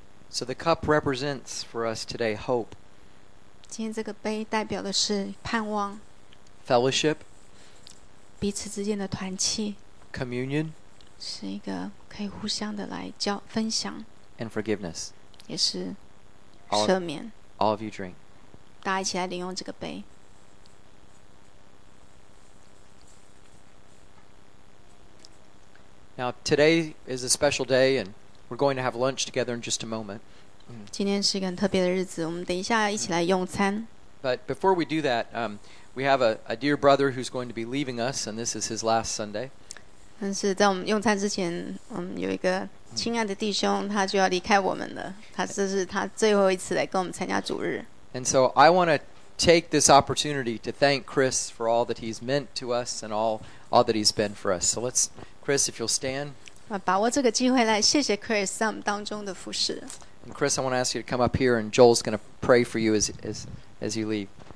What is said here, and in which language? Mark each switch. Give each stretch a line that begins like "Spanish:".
English: So the cup represents for us today hope.
Chinese: 今天这个杯代表的是盼望
English: Fellowship.
Chinese: 彼此之间的团契
English: Communion.
Chinese: 是一个可以互相的来交分享
English: ，and forgiveness，
Chinese: 也是赦免。
English: All of you drink，
Chinese: 大家一起来领用这个杯。
English: Now today is a special day, and we're going to have lunch together in just a moment.
Chinese: 今天是一个很特别的日子，我们等一下一起来用餐。
English: But before we do that, we have a dear brother who's going to be leaving us, and this is his last Sunday.
Chinese: 但是在我们用餐之前，有一个亲爱的弟兄，他就要离开我们了。他这是他最后一次来跟我们参加主日。
English: And so I want to take this opportunity to thank Chris for all that he's meant to us and all that he's been for us. So let's, Chris, if you'll stand.
Chinese: 把握这个机会来谢谢 Chris 在我们当中的服事。
English: And Chris, I want to ask you to come up here, and Joel's going to pray for you as you leave.